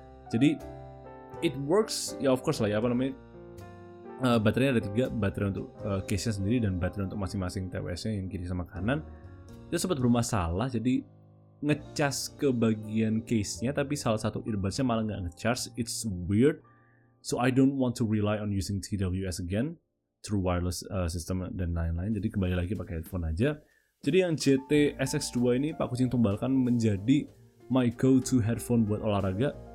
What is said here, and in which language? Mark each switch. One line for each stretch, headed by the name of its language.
Indonesian: Jadi
English: it works
Indonesian: ya,
English: of course
Indonesian: lah ya, apa namanya, baterainya ada 3, baterai untuk case-nya sendiri dan baterai untuk masing-masing TWS-nya yang kiri sama kanan. Itu sempat bermasalah, jadi ngecas ke bagian case-nya tapi salah satu earbuds-nya malah nggak ngecharge.
English: It's weird, so I don't want to rely on using TWS again through wireless system
Indonesian: dan lain-lain. Jadi kembali lagi pakai headphone aja. Jadi yang JT SX2 ini Pak Kucing tumbalkan menjadi
English: my go-to headphone
Indonesian: buat olahraga.